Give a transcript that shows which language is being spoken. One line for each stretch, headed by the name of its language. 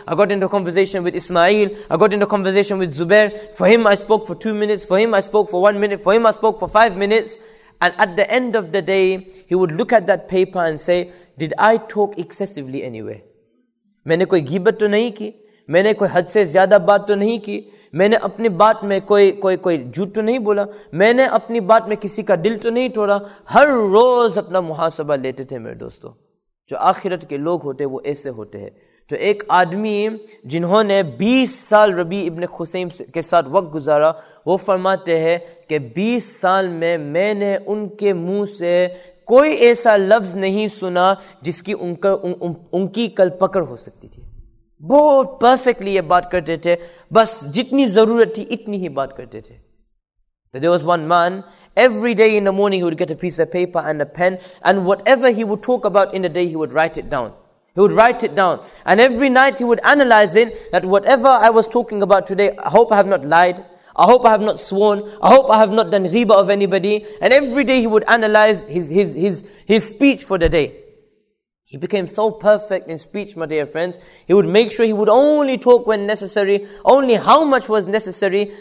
English: I got into a conversation with Ismail. I got into a conversation with Zubair. For him, I spoke for 2 minutes. For him, I spoke for 1 minute. For him, I spoke for 5 minutes. And at the end of the day, he would look at that paper and say, did I talk excessively anywhere?
Hindi: Maine koi ghibat to nahi ki? Maine koi had se zyada baat to nahi ki? मैंने अपनी बात में कोई झूठ तो नहीं बोला? मैंने अपनी बात में किसी का दिल तो नहीं तोड़ा? हर रोज अपना मुहासबा लेते थे मेरे दोस्तों. जो आखिरत के लोग होते हैं वो ऐसे होते हैं. तो एक आदमी जिन्होंने 20 साल रबी इब्ने खुसैम के साथ वक्त गुजारा, वो फरमाते हैं कि 20 साल में मैंने उनके मुंह से कोई ऐसा लफ्ज नहीं सुना जिसकी उनकी कल पकड़ हो सकती थी. बहुत परफेक्टली ये बात करते थे, बस जितनी जरूरत थी इतनी ही बात करते थे.
English: There was one man, every day in the morning he would get a piece of paper and a pen, and whatever he would talk about in the day he would write it down. He would write it down. And every night he would analyze it, that whatever I was talking about today, I hope I have not lied. I hope I have not sworn. I hope I have not done ghibah of anybody. And every day he would analyze his speech for the day. He became so perfect in speech, my dear friends. He would make sure he would only talk when necessary, only how much was necessary.